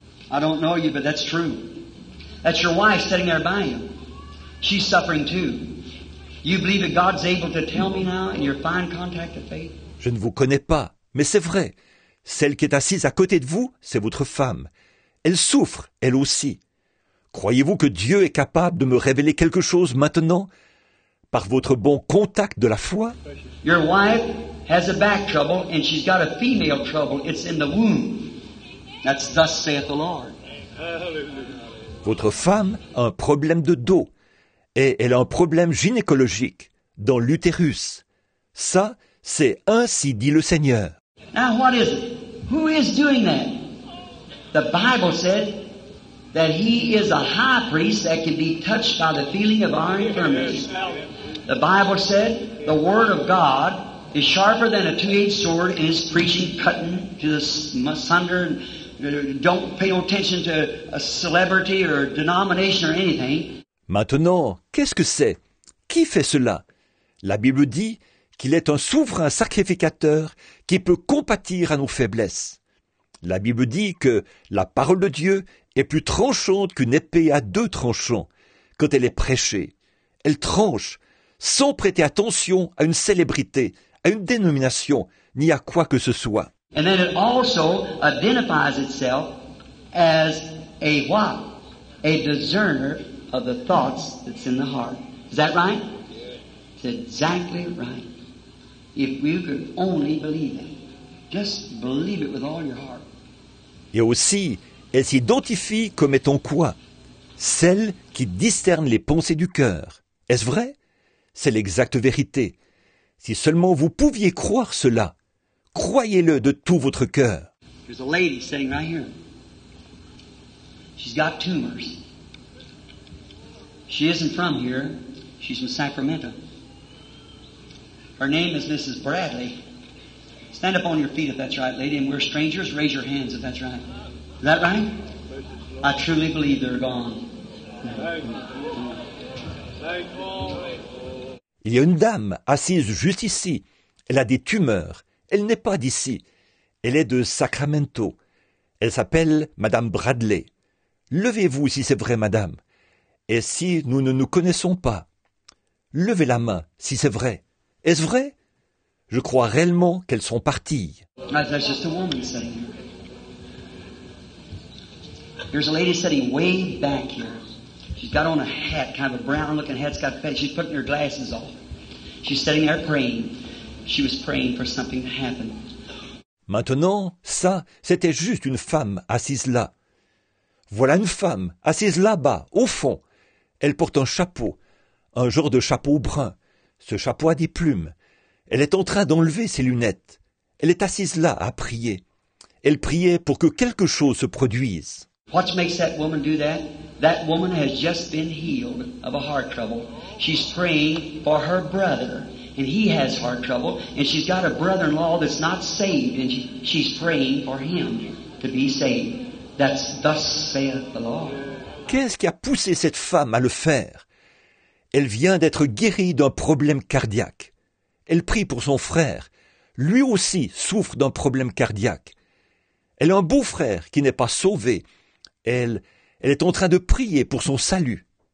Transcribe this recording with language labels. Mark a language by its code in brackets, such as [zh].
[en] I don't know you, but that's true. That's your wife sitting there by you. She's suffering too. You believe that God's able to tell me now in your fine contact of faith? [fr] Je ne vous connais pas, mais c'est vrai. Celle qui est assise à côté de vous, c'est votre femme. Elle souffre, elle aussi. Croyez-vous que Dieu est capable de me révéler quelque chose maintenant, par votre bon contact de la foi? [en] Your wife has a back trouble and she's got a female trouble. It's in the womb. That's thus saith the Lord. [fr] Votre femme a un problème de dos et elle a un problème gynécologique dans l'utérus. Ça, c'est ainsi dit le Seigneur. [en] Now what is it? Who is doing that? The Bible said that he is a high priest that can be touched by the feeling of our infirmities. The Bible said the word of God is sharper than a two-edged sword and is preaching, cutting to the sunder. Don't pay no attention to a celebrity or a denomination or anything. [fr] Maintenant, qu'est-ce que c'est? Qui fait cela? La Bible dit qu'il est un souverain sacrificateur qui peut compatir à nos faiblesses. La Bible dit que la parole de Dieu est plus tranchante qu'une épée à deux tranchants quand elle est prêchée. Elle tranche sans prêter attention à une célébrité, à une dénomination, ni à quoi que ce soit. [en] And then it also identifies itself as a what? A discerner of the thoughts that's in the heart. Is that right? It's exactly right. If we could only believe it. Just believe it with all your heart. [fr] Et aussi, elle s'identifie comme étant quoi? Celle qui discerne les pensées du cœur. Est-ce vrai? C'est l'exacte vérité. Si seulement vous pouviez croire cela, croyez-le de tout votre cœur. [en] There's a lady sitting right here. She's got tumors. She isn't from here. She's from Sacramento. Her name is Mrs. Bradley. Stand up on your feet if that's right, lady, and we're strangers. Raise your hands if that's right. Is that right? I truly believe they're gone. [fr] Il y a une dame assise juste ici. Elle a des tumeurs. Elle n'est pas d'ici. Elle est de Sacramento. Elle s'appelle Madame Bradley. Levez-vous si c'est vrai, madame. Et si nous ne nous connaissons pas, levez la main si c'est vrai. Est-ce vrai? Je crois réellement qu'elles sont parties. [en] That's just a woman saying. There's a lady sitting way back here. She's got on a hat, kind of a brown-looking hat. She's putting her glasses off. She's sitting there praying. She was praying for something to happen. [fr] Maintenant, ça, c'était juste une femme assise là. Voilà une femme assise là-bas, au fond. Elle porte un chapeau, un genre de chapeau brun. Ce chapeau a des plumes. Elle est en train d'enlever ses lunettes. Elle est assise là à prier. Elle priait pour que quelque chose se produise. [en] What makes that woman do that? That woman has just been healed of a heart trouble. She's praying for her brother. And he has heart trouble, and she's got a brother-in-law that's not saved, and she's praying for him to be saved. That's thus saith the Lord. [fr] Qu'est-ce qui a poussé cette femme à le faire? Elle vient d'être guérie d'un problème cardiaque. Elle prie pour son frère. Lui aussi souffre d'un problème cardiaque. Elle a un beau frère qui n'est pas sauvé. Elle est en train de prier pour son salut.